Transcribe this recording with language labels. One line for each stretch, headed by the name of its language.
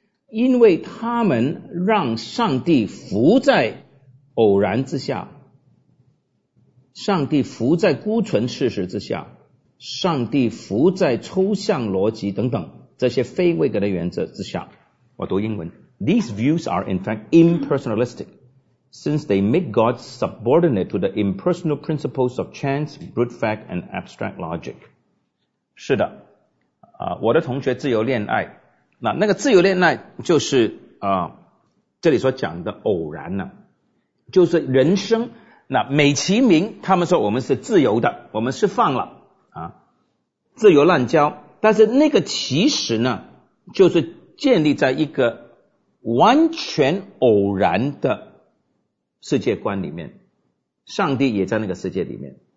Chinese: 因为他们让上帝浮在偶然之下，上帝浮在孤存事实之下，上帝浮在抽象逻辑等等这些非位格的原则之下。我读英文，
English: These views are in fact impersonalistic, since they make God subordinate to the impersonal principles of chance, brute fact and abstract logic.
Chinese: 是的，我的同学自由恋爱，那个自由恋爱就是这里所讲的偶然呢，就是人生，那美其名他们说我们是自由的，我们释放了自由滥交，但是那个其实呢就是建立在一个完全偶然的世界观里面，上帝也在那个世界里面。